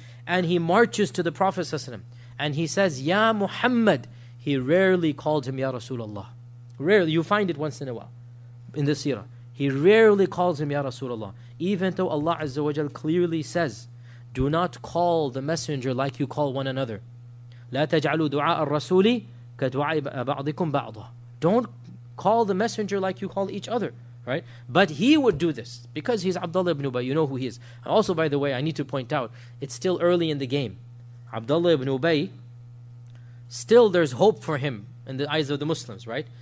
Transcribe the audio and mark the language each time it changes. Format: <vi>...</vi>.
<en>And he marches to the Prophet ﷺ. And he says, Ya Muhammad. He rarely called him Ya Rasulullah. Rarely. You find it once in a while. In the seerah, he rarely calls him Ya Rasulullah, even though Allah Azza wa Jal clearly says, do not call the messenger like you call one another.</en> <ar>لا تجعلوا دعاء الرسول كدعاء بعضكم بعضا.</ar> <en>Don't call the messenger like you call each other, right? But he would do this because he's Abdullah ibn Ubayy, you know who he is. And also, by the way, I need to point out, it's still early in the game. Abdullah ibn Ubayy, still there's hope for him in the eyes of the Muslims, right?</en>